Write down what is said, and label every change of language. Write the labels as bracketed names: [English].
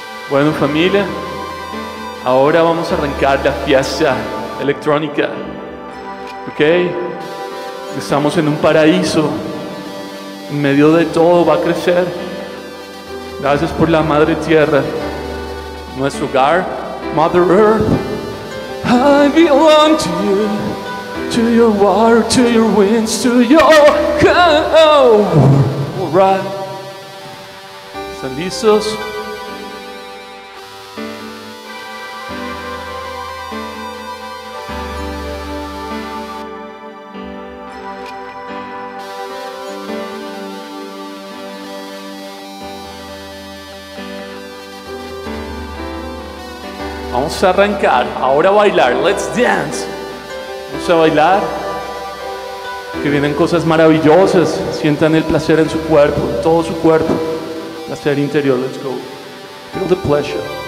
[Spanish] Bueno, familia, ahora vamos a arrancar la fiesta electrónica, ¿ok? Estamos en un paraíso, en medio de todo va a crecer. Gracias por la Madre Tierra, nuestro hogar, [English] Mother Earth. I belong to your water, to your winds, to your cow. Alright. [Spanish] ¿Están listos? Vamos a arrancar, ahora a bailar, [English] let's dance. [Spanish] Vamos a bailar, que vienen cosas maravillosas. Sientan el placer en su cuerpo, en todo su cuerpo. Placer interior, [English] let's go. Feel the pleasure.